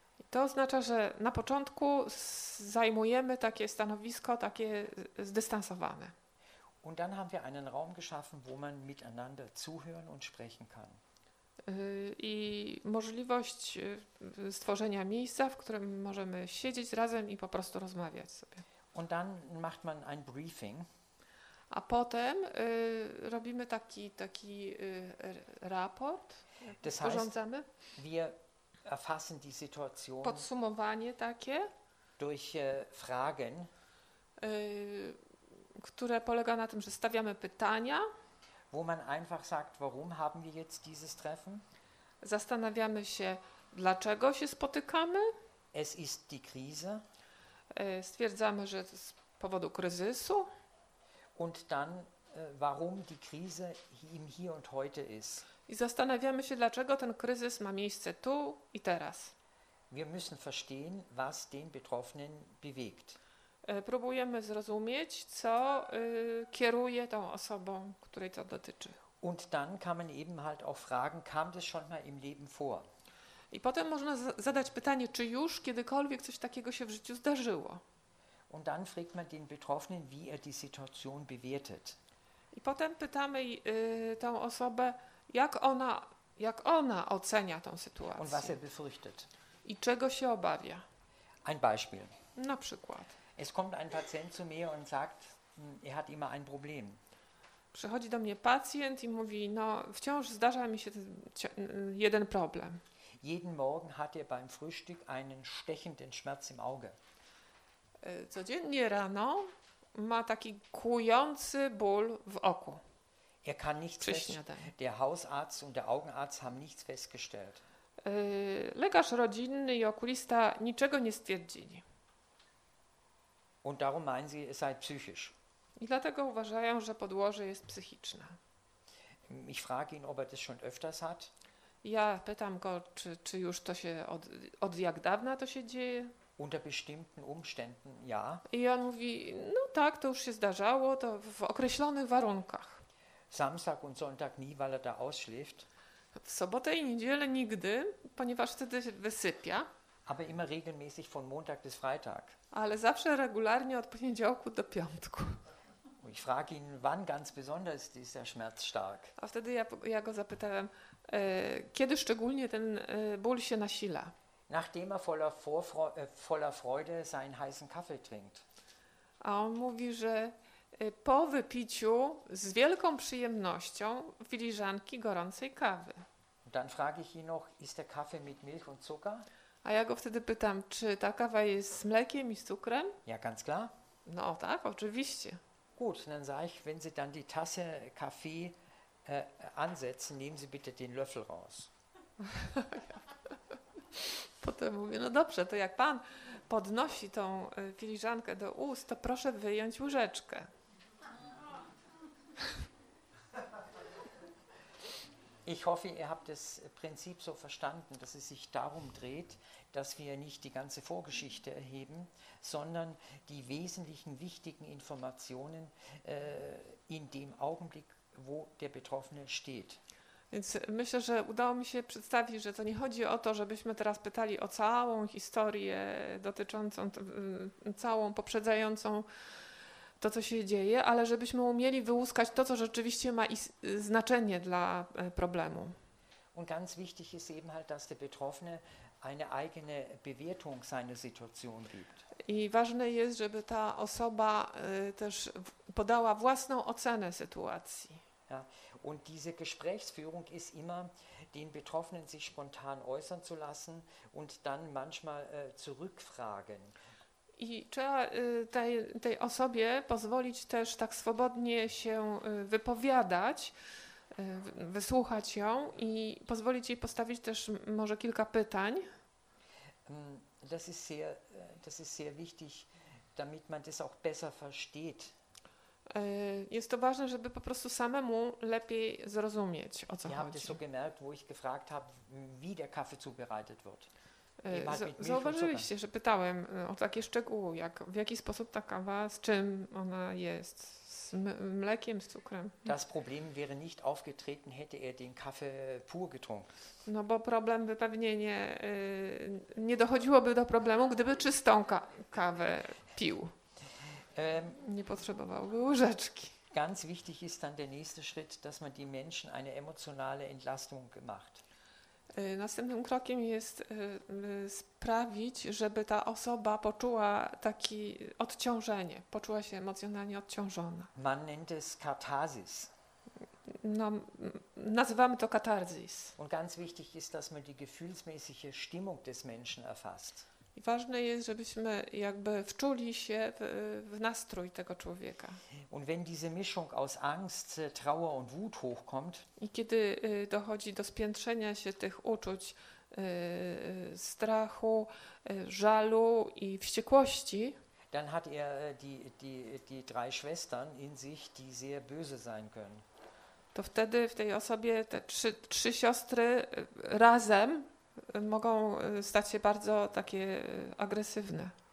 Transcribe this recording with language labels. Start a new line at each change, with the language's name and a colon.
Polish: To oznacza, że na początku zajmujemy takie stanowisko, takie zdystansowane.
German: Und dann haben wir einen Raum geschaffen, wo man miteinander zuhören und sprechen kann.
Polish: I możliwość stworzenia miejsca, w którym możemy siedzieć razem i po prostu rozmawiać sobie.
German: Und dann macht man ein briefing.
Polish: A potem robimy taki raport, sporządzamy.
German: Wir erfassen die Situation.
Polish: Podsumowanie takie.
German: Durch Fragen.
Polish: Które polega na tym, że stawiamy pytania.
German: Wo man einfach sagt, warum haben wir jetzt dieses Treffen?
Polish: Zastanawiamy się, dlaczego się spotykamy.
German: Es ist die Krise.
Polish: Stwierdzamy, że z powodu kryzysu.
German: Und dann, warum die Krise im hier und heute ist.
Polish: I zastanawiamy się, dlaczego ten kryzys ma miejsce tu i teraz.
German: Wir müssen verstehen, was den Betroffenen bewegt.
Polish: Próbujemy zrozumieć, co kieruje tą osobą, której to dotyczy.
German: Und dann kann man eben halt auch fragen, kam das schon mal im Leben vor?
Polish: I potem można zadać pytanie, czy już kiedykolwiek coś takiego się w życiu zdarzyło.
German: Und dann fragt man den Betroffenen, wie die Situation bewertet.
Polish: I potem pytamy tą osobę, jak ona ocenia tą sytuację.
German: Und was befürchtet.
Polish: I czego się obawia.
German: Ein Beispiel.
Polish: Na przykład.
German: Es kommt ein Patient zu mir und sagt, hat immer ein Problem.
Polish: Przychodzi do mnie pacjent i mówi, no wciąż zdarza mi się jeden problem.
German: Jeden Morgen hat beim Frühstück einen stechenden Schmerz im Auge.
Polish: Codziennie rano ma taki kłujący ból w oku.
German: Er kann nichts feststellen. Der Hausarzt und der Augenarzt haben nichts festgestellt.
Polish: Lekarz rodzinny i okulista niczego nie stwierdzili.
German: Und darum meinen sie, es sei psychisch.
Polish: I dlatego uważają, że podłoże jest psychiczne.
German: Ich frage ihn, ob das schon öfters hat.
Polish: Ja pytam go, czy już to się od jak dawna to się dzieje.
German: Unter bestimmten Umständen, ja.
Polish: I on mówi, no tak, to już się zdarzało, to w określonych warunkach.
German: Samstag und Sonntag nie, weil da ausschläft.
Polish: W sobotę i niedzielę nigdy, ponieważ wtedy wysypia.
German: Aber immer regelmäßig von Montag bis Freitag.
Polish: Ale zawsze regularnie od poniedziałku do piątku.
German: Ich frage ihn, wann ganz besonders ist der Schmerz stark.
Polish: A wtedy ja go zapytałem, kiedy szczególnie ten ból się nasila.
German: Nachdem er voller Freude seinen heißen Kaffee trinkt.
Polish: A on mówi, że po wypiciu z wielką przyjemnością filiżanki gorącej kawy.
German: Dann frage ich ihn noch, ist der Kaffee mit Milch und Zucker?
Polish: A ja go wtedy pytam, czy ta kawa jest z mlekiem i z cukrem?
German: Ja, ganz klar.
Polish: No tak, oczywiście.
German: Gut, dann sage ich, wenn Sie dann die Tasse Kaffee ansetzen, nehmen Sie bitte den Löffel raus.
Polish: Potem mówię, no dobrze, to jak pan podnosi tą filiżankę do ust, to proszę wyjąć łyżeczkę.
German: Ich hoffe, ihr habt das Prinzip so verstanden, dass es sich darum dreht, dass wir nicht die ganze Vorgeschichte erheben, sondern die wesentlichen, wichtigen Informationen in dem Augenblick, wo der Betroffene steht.
Polish: Więc myślę, że udało mi się przedstawić, że to nie chodzi o to, żebyśmy teraz pytali o całą historię dotyczącą, całą poprzedzającą to, co się dzieje, ale żebyśmy umieli wyłuskać to, co rzeczywiście ma znaczenie dla problemu.
German: Und ganz wichtig ist eben halt, dass der Betroffene eine eigene Bewertung seiner Situation gibt.
Polish: I ważne jest, żeby ta osoba też podała własną ocenę sytuacji.
German: Ja, und diese Gesprächsführung ist immer, den Betroffenen sich spontan äußern zu lassen und dann manchmal zurückfragen.
Polish: I trzeba tej osobie pozwolić też tak swobodnie się wypowiadać, wysłuchać ją i pozwolić jej postawić też może kilka pytań.
German: Das ist sehr wichtig, damit man das auch besser versteht.
Polish: Jest to ważne, żeby po prostu samemu lepiej zrozumieć, o co chodzi.
German: Ich habe das so gemerkt, wo ich gefragt habe, wie der Kaffee zubereitet wird.
Polish: Zauważyliście, że pytałem o takie szczegóły, jak w jaki sposób ta kawa, z czym ona jest, z mlekiem, z cukrem.
German: Das Problem wäre nicht aufgetreten, hätte er den Kaffee pur getrunken.
Polish: No bo problem by pewnie nie dochodziłoby do problemu, gdyby czystą kawę pił. Nie potrzebowałby łyżeczki.
German: Ganz wichtig ist dann der nächste Schritt, dass man die Menschen eine emotionale Entlastung macht.
Polish: Następnym krokiem jest sprawić, żeby ta osoba poczuła takie odciążenie, poczuła się emocjonalnie odciążona.
German: Man nennt es Katharsis.
Polish: No, nazywamy to katharsis.
German: Und ganz wichtig ist, dass man die gefühlsmäßige Stimmung des Menschen erfasst.
Polish: I ważne jest, żebyśmy jakby wczuli się w nastrój tego człowieka.
German: Und wenn diese Mischung aus Angst, Trauer und Wut hochkommt,
Polish: i kiedy dochodzi do spiętrzenia się tych uczuć strachu, żalu i wściekłości,
German: dann hat er die drei Schwestern in sich, die sehr böse sein können.
Polish: To wtedy w tej osobie te trzy siostry razem mogą stać się bardzo takie agresywne.